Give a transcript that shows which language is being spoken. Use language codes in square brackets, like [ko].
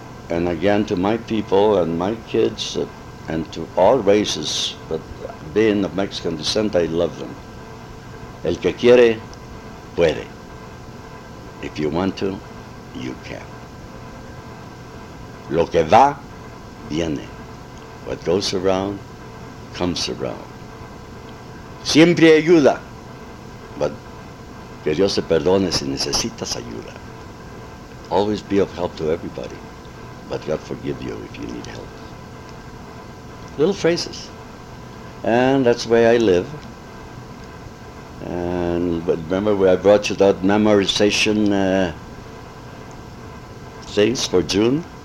[en] And again, to my people and my kids and to all races, but being of Mexican descent, I love them. [es] El que quiere, puede. [en] If you want to, you can. [es] Lo que va, viene. [en] What goes around, comes around. [es] Siempre ayuda. [en] But [es] que Dios te perdone si necesitas ayuda. [en] Always be of help to everybody, but God forgive you if you need help. Little phrases. And that's the way I live. And but remember where I brought you that memorization things for June?